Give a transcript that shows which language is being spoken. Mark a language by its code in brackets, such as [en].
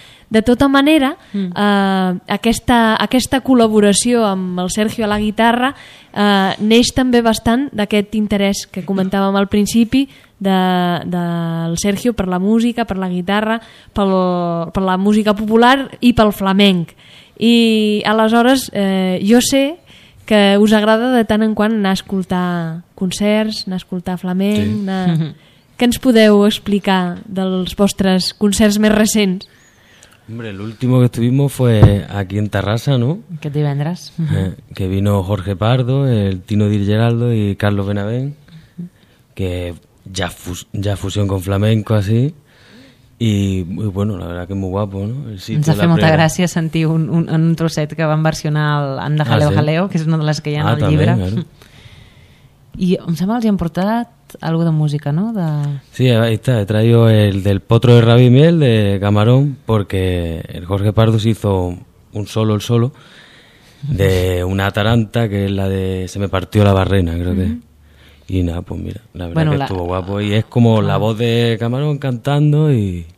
[ca] De tota manera, aquesta col·laboració amb el Sergio a la guitarra neix també bastant d'aquest interès que comentàvem al principi del Sergio per la música, per la guitarra, per la música popular i pel flamenc. I aleshores jo sé que us agrada de tant en quant anar a escoltar concerts, anar a escoltar flamenc... Sí. Anar... Què ens podeu explicar dels vostres concerts més recents? [es] Hombre, el último que estuvimos fue aquí en Terrassa, ¿no? [ca] Aquest divendres. [es] Que vino Jorge Pardo, el Tino Di Geraldo y Carlos Benavent, que ya fusión con flamenco, así... I bueno, la verdad que es muy guapo, ¿no? [ca] Sí, ens ha fet molta gràcia sentir un trosset que van versionar de Jaleo, sí? Jaleo, que és una de les que hi ha al llibre. [es] Claro. [ca] I em sembla que els hi han portat algo de música, ¿no? [es] Sí, ahí está, he traído el del Potro de Rabi Miel, de Camarón, porque el Jorge Pardo se hizo el solo, de una taranta, que es la de Se me partió la barrena, creo que. Y nada, pues mira, la verdad que estuvo guapo. Y es como la voz de Camarón cantando y...